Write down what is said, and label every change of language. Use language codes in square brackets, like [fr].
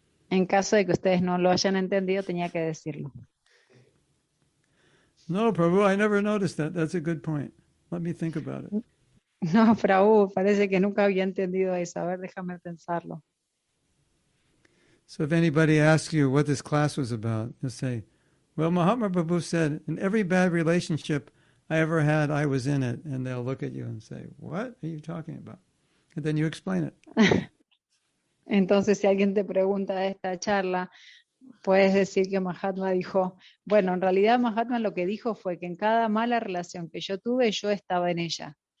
[es] En caso de que ustedes no lo hayan entendido, tenía que decirlo. [en] No, Prabhu, I never noticed that. That's a good point. Let me think about it. [es] No, Prabhu, parece que nunca había entendido eso. A ver, déjame pensarlo. [en] So if anybody asks you what this class was about, you'll say, well, Mahatma Prabhu said, in every bad relationship I ever had, I was in it. And they'll look at you and say, what are you talking about? And then you explain it. [es] Entonces, si alguien te pregunta de esta charla, puedes decir que Mahatma dijo, bueno, en realidad Mahatma lo que dijo fue que en cada mala relación que yo tuve, yo estaba en ella.